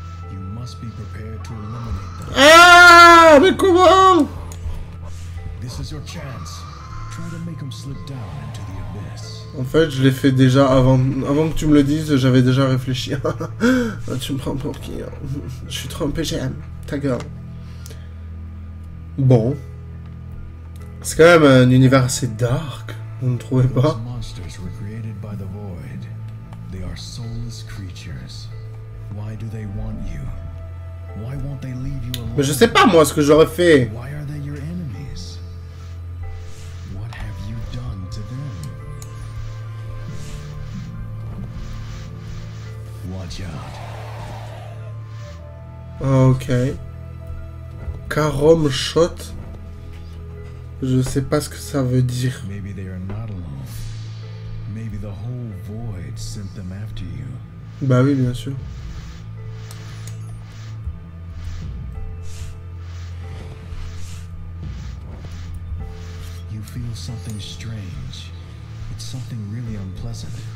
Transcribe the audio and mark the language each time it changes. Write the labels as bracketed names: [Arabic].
[English] You must be prepared to eliminate them. [French] Ah, mais comment? [English] This is your chance. Try to make them slip down into the abyss. [French] En fait, je l'ai fait déjà avant que tu me le dises, j'avais déjà réfléchi. Tu me prends pour qui? Je suis trompé, j'aime ta gueule. Bon. C'est quand même un univers assez dark, vous ne trouvez pas? Ces monstres ont été créés par le vide. Ils sont des créatures créatures. Pourquoi ils veulent vous? Pourquoi ne vont-ils pas vous laisser seul? Mais je sais pas moi ce que j'aurais fait. Pourquoi sont-ils vos ennemis? Qu'avez-vous fait à eux? [English] Watch out. Ok. Carom shot. [French] Je sais pas ce que ça veut dire. [English] Maybe they are not alone. Maybe the the whole void sent them after you. [French] Bah oui, bien sûr. [English] You feel something strange. It's something really unpleasant.